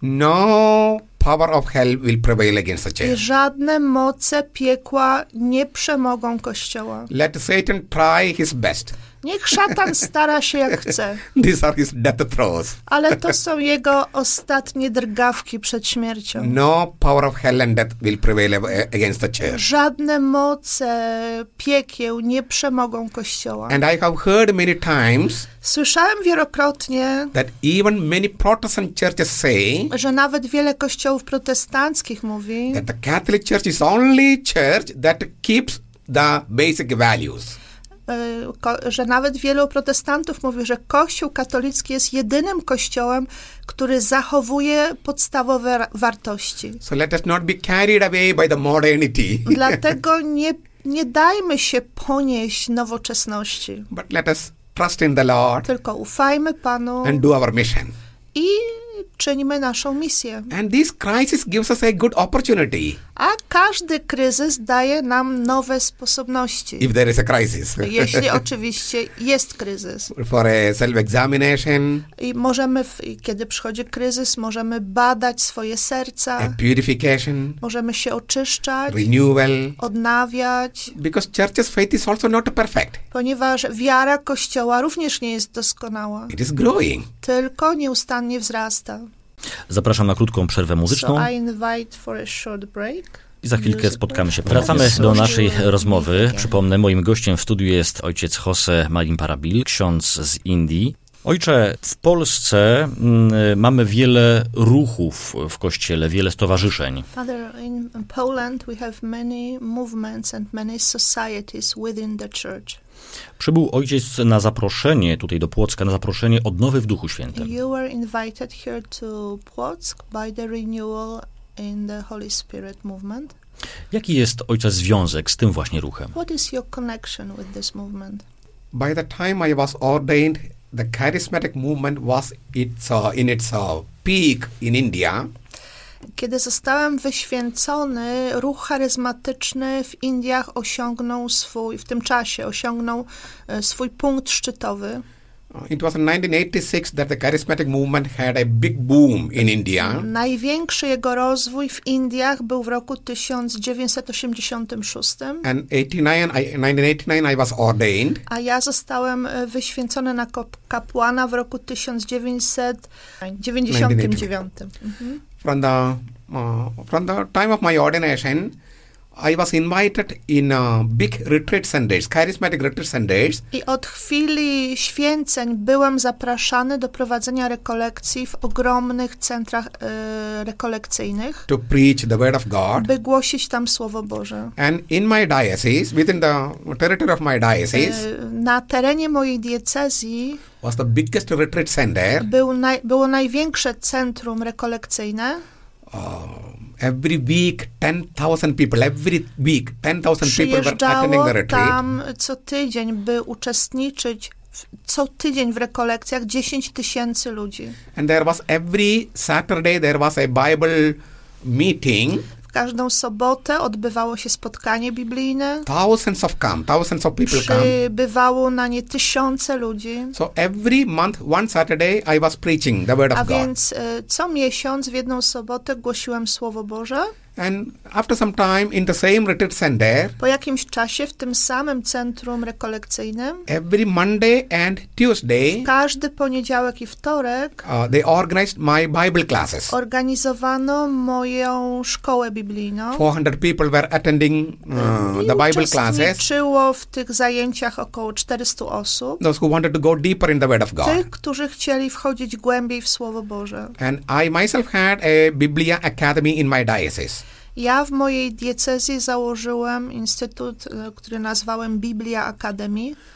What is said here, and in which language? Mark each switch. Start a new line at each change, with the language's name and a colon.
English: No power of hell will prevail against the church.
Polish: I żadne moce piekła nie przemogą kościoła.
English: Let Satan try his best.
Polish: Niech szatan stara się, jak chce.
English: These are his death throes.
Polish: Ale to są jego ostatnie drgawki przed śmiercią.
English: No power of hell and death will prevail against the church.
Polish: Żadne moce piekieł nie przemogą Kościoła.
English: And I have heard many times,
Polish: słyszałem wielokrotnie,
English: that even many Protestant churches say,
Polish: że nawet wiele kościołów protestanckich mówi,
English: that the Catholic Church is only church that keeps the basic values.
Polish: Że nawet wielu protestantów mówi, że Kościół katolicki jest jedynym kościołem, który zachowuje podstawowe wartości.
English: So let us not be carried away by the modernity.
Polish: Dlatego nie dajmy się ponieść nowoczesności.
English: But let us trust in the Lord.
Polish: Tylko ufajmy Panu.
English: And do our mission.
Polish: I czynimy naszą misję.
English: And this crisis gives us a good opportunity.
Polish: A każdy kryzys daje nam nowe sposobności.
English: If there is a crisis.
Polish: Jeśli oczywiście jest kryzys.
English: For a self-examination.
Polish: I możemy, kiedy przychodzi kryzys, możemy badać swoje serca.
English: A purification.
Polish: Możemy się oczyszczać.
English: Renewal.
Polish: Odnawiać.
English: Because church's faith is also not perfect.
Polish: Ponieważ wiara Kościoła również nie jest doskonała.
English: It is growing.
Polish: Tylko nieustannie wzrasta. Zapraszam na krótką przerwę muzyczną.
English: So I invite for a short break.
Polish: I za chwilkę spotkamy się. Wracamy do naszej rozmowy. Przypomnę, moim gościem w studiu jest ojciec Jose Marin Parabil, ksiądz z Indii. Ojcze, w Polsce mamy wiele ruchów w Kościele, wiele stowarzyszeń.
English: Father, in Poland we have many movements and many societies within the church.
Polish: Przybył ojciec na zaproszenie tutaj do Płocka, na zaproszenie odnowy w Duchu Świętym.
English: You were invited here to Płock by the renewal in the Holy Spirit movement.
Polish: Jaki jest ojca związek z tym właśnie ruchem?
English: What is your connection with this movement? By the time I was ordained, the charismatic movement was in its peak in India.
Polish: Kiedy zostałem wyświęcony, ruch charyzmatyczny w Indiach osiągnął swój, w tym czasie osiągnął swój punkt szczytowy.
English: It was in 1986 that the charismatic movement had a big boom in India.
Polish: Największy jego rozwój w Indiach był w roku 1986.
English: And 1989 I was ordained.
Polish: A ja zostałem wyświęcony na kapłana w roku 1999.
English: From the time of my ordination, I was invited in big retreat centers, charismatic retreat centers.
Polish: I od chwili święceń byłem zapraszany do prowadzenia rekolekcji w ogromnych centrach rekolekcyjnych.
English: To preach the word of God.
Polish: By głosić tam Słowo Boże.
English: And in my diocese, within the territory of my diocese.
Polish: Na terenie mojej diecezji.
English: Was the biggest retreat center.
Polish: Było największe centrum rekolekcyjne.
English: Every week 10,000 people, every week 10,000 people were attending the retreat.
Polish: Przyjeżdżało tam co tydzień, by uczestniczyć co tydzień w rekolekcjach 10 tysięcy ludzi.
English: And there was every Saturday there was a Bible meeting.
Polish: W każdą sobotę odbywało się spotkanie biblijne.
English: Thousands of people come.
Polish: Przybywało na nie tysiące ludzi.
English: So every month, one Saturday, I was preaching the word of God.
Polish: A więc co miesiąc, w jedną sobotę, głosiłem Słowo Boże.
English: And after some time, in the same retreat center,
Polish: po jakimś czasie, w tym samym centrum rekolekcyjnym,
English: every Monday and Tuesday,
Polish: każdy poniedziałek i wtorek,
English: they organized my Bible classes.
Polish: Organizowano moją szkołę biblijną.
English: 400 people were attending the Bible classes.
Polish: Uczestniczyło w tych zajęciach około 400 osób.
English: Those who wanted to go deeper in the Word of God.
Polish: Tych, którzy chcieli wchodzić głębiej w Słowo Boże.
English: And I myself had a Biblia Academy in my diocese.
Polish: Ja w mojej diecezji założyłem instytut, który nazwałem Biblia Academy.